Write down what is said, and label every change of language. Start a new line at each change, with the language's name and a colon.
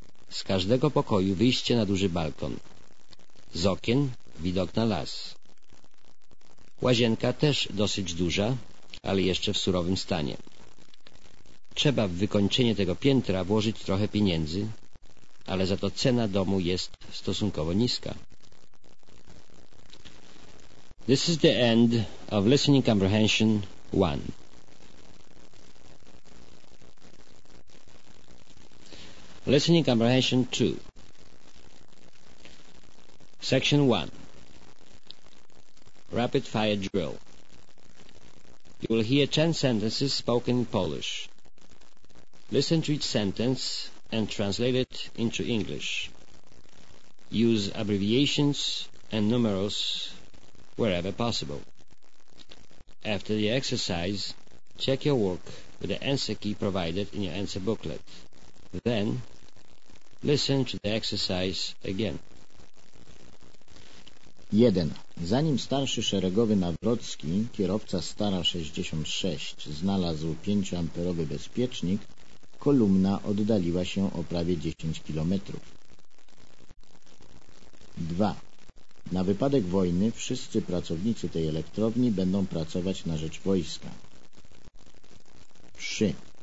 Polish: Z każdego pokoju wyjście na duży balkon. Z okien widok na las. Łazienka też dosyć duża, ale jeszcze w surowym stanie. Trzeba w wykończenie tego piętra włożyć trochę pieniędzy, ale za to cena domu jest stosunkowo niska.
English: This is the end of listening comprehension 1. Listening comprehension 2. Section 1. Rapid fire drill. You will hear 10 sentences spoken in Polish. Listen to each sentence and translate it into English. Use abbreviations and numerals wherever possible. After the exercise, check your work with the answer key provided in your answer booklet. Then, listen to the exercise again. 1.
Polish: Zanim starszy szeregowy Nawrocki, kierowca Stara 66, znalazł 5-amperowy bezpiecznik, kolumna oddaliła się o prawie 10 kilometrów. 2. Na wypadek wojny wszyscy pracownicy tej elektrowni będą pracować na rzecz wojska. 3.